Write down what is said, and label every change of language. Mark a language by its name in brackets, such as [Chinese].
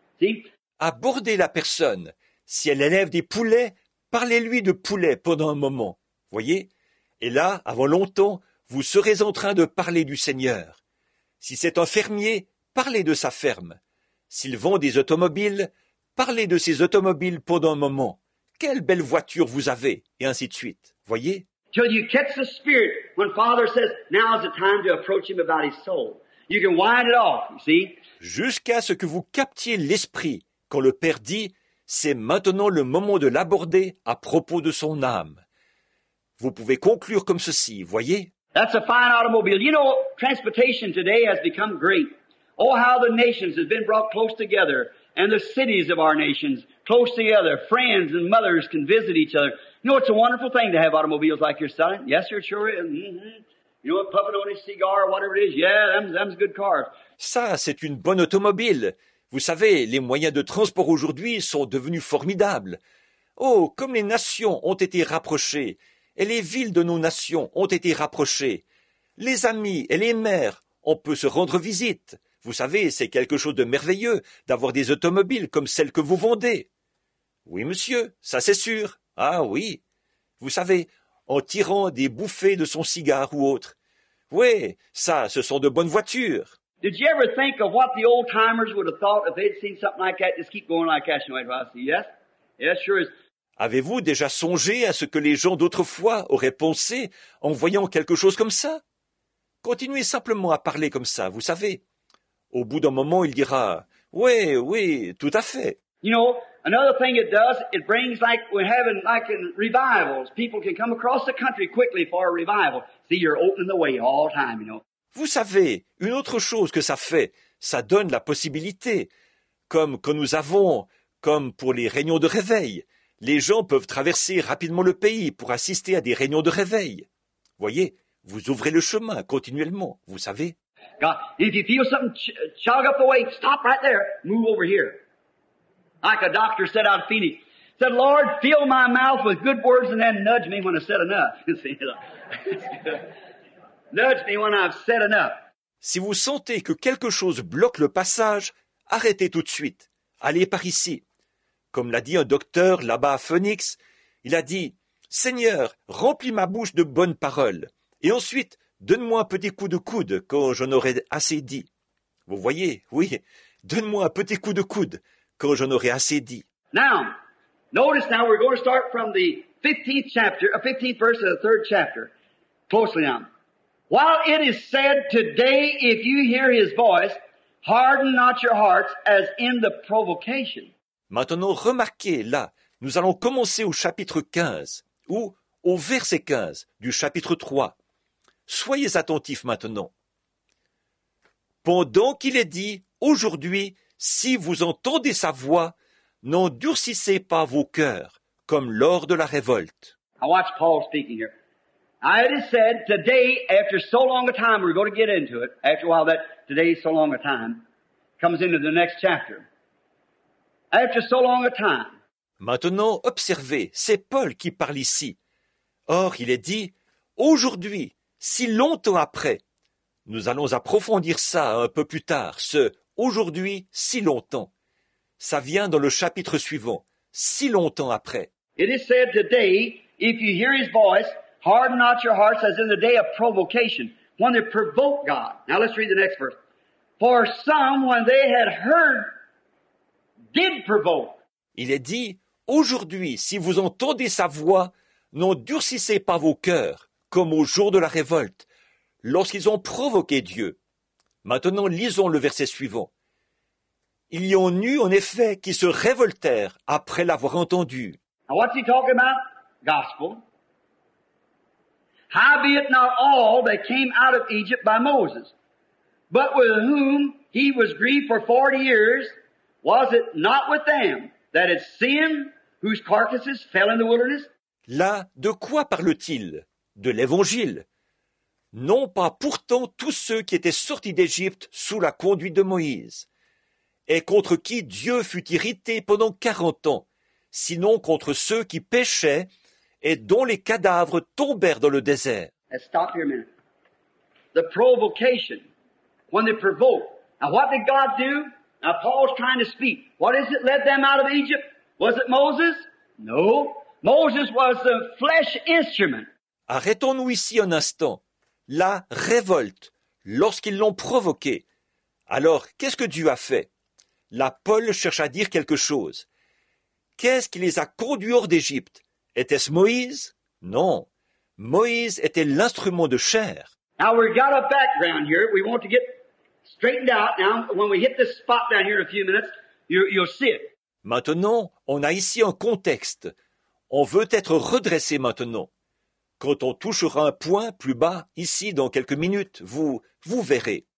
[English] See? [French] Abordez la personne. Si elle élève des poulets, parlez-lui de poulets pendant un moment. Voyez? Et là, avant longtemps, vous serez en train de parler du Seigneur. Si c'est un fermier, parlez de sa ferme. S'il vend des automobiles, parlez de ses automobiles pendant un moment. Quelle belle voiture vous avez, et ainsi de suite. Voyez? [English] Till you catch the spirit when Father says, now is the time to approach him about his soul. You can wind it off, you see? [French] Jusqu'à ce que vous captiez l'esprit quand le Père dit, c'est maintenant le moment de l'aborder à propos de son âme. Vous pouvez conclure comme ceci, voyez? [English] That's a fine automobile. You know, transportation today has become great. Oh, how the nations have been brought close together and the cities of our nations close together. Friends and mothers can visit each other. You know, it's a wonderful thing to have automobiles like your son. Yes, sir, sure is. Mm-hmm. You know, puffing on his cigar, whatever it is. Yeah, them's good cars. [French] Ça, c'est une bonne automobile. Vous savez, les moyens de transport aujourd'hui sont devenus formidables. Oh, comme les nations ont été rapprochées et les villes de nos nations ont été rapprochées. Les amis et les mères, on peut se rendre visite. Vous savez, c'est quelque chose de merveilleux d'avoir des automobiles comme celles que vous vendez. Oui, monsieur, ça c'est sûr. Ah oui, vous savez, en tirant des bouffées de son cigare ou autre. Oui, ça, ce sont de bonnes voitures. [English] Did you ever think of what the old timers would have thought if they'd seen something like that? Just keep going like that, you know, I see. Yes, yes, sure is. [French] Avez-vous déjà songé à ce que les gens d'autrefois auraient pensé en voyant quelque chose comme ça? Continuez simplement à parler comme ça, vous savez. Au bout d'un moment, il dira, oui, oui, tout à fait. [English] You know, another thing it does, it brings like we're having like in revivals. People can come across the country quickly for a revival. See, you're opening the way all the time, you know. [French] Vous savez, une autre chose que ça fait, ça donne la possibilité. Comme que nous avons, comme pour les réunions de réveil, les gens peuvent traverser rapidement le pays pour assister à des réunions de réveil. Voyez, vous ouvrez le chemin continuellement, vous savez. [English] God, if you feel something chug up the way, stop right there, move over here. Like a doctor said out of Phoenix, said, Lord, fill my mouth with good words and then nudge me when I've said enough. Nudge me when I've said enough. [French] Si vous sentez que quelque chose bloque le passage, arrêtez tout de suite. Allez par ici. Comme l'a dit un docteur là-bas à Phoenix, il a dit, Seigneur, remplis ma bouche de bonnes paroles. Et ensuite, donne-moi un petit coup de coude quand j'en aurai assez dit. Vous voyez, oui, donne-moi un petit coup de coude quand j'en aurai assez dit. [English] Now, notice now we're going to start from the 15th chapter, a 15th verse of the 3rd chapter. Closely now. While it is said today, if you hear his voice, harden not your hearts as in the provocation. [French] Maintenant, remarquez là, nous allons commencer au chapitre 15, ou au verset 15 du chapitre 3. Soyez attentifs maintenant. Pendant qu'il est dit, aujourd'hui, si vous entendez sa voix, n'endurcissez pas vos cœurs, comme lors de la révolte. [English] I watch Paul speaking here. It is said, today, after so long a time, we're going to get into it, after a while that today is so long a time, comes into the next chapter. After so long a time. [French] Maintenant, observez, c'est Paul qui parle ici. Or, il est dit, aujourd'hui, si longtemps après, nous allons approfondir ça un peu plus tard, ce « aujourd'hui, si longtemps ». Ça vient dans le chapitre suivant, « si longtemps après ». [English] It is said today, if you hear his voice, harden not your hearts as in the day of provocation, when they provoke God. Now let's read the next verse. For some, when they had heard, did provoke. [French] Il est dit, aujourd'hui, si vous entendez sa voix, n'endurcissez pas vos cœurs, comme au jour de la révolte, lorsqu'ils ont provoqué Dieu. Maintenant, lisons le verset suivant. Il y en eut, en effet, qui se révoltèrent après l'avoir entendu. [English] Now what's he talking about? Gospel. Howbeit not all that came out of Egypt by Moses, but with whom he was grieved for 40 years, was it not with them that had sinned, whose carcasses fell in the wilderness? [French] Là, de quoi parle-t-il? De l'Évangile. Non pas pourtant tous ceux qui étaient sortis d'Égypte sous la conduite de Moïse, et contre qui Dieu fut irrité pendant 40 ans, sinon contre ceux qui péchaient et dont les cadavres tombèrent dans le désert. [English] Let's stop here a minute. The provocation, when they provoke. Now what did God do? Now Paul's trying to speak. What is it led them out of Egypt? Was it Moses? No. Moses was the flesh instrument. [French] Arrêtons-nous ici un instant. La révolte, lorsqu'ils l'ont provoquée. Alors, qu'est-ce que Dieu a fait? Là, Paul cherche à dire quelque chose. Qu'est-ce qui les a conduits hors d'Égypte? Était-ce Moïse? Non. Moïse était l'instrument de chair. [English] Now we've got a background here. We want to get straightened out. Now, when we hit this spot down here in a few minutes, you'll see it. [French] Maintenant, on a ici un contexte. On veut être redressé maintenant. Quand on touchera un point plus bas, ici, dans quelques minutes, vous verrez.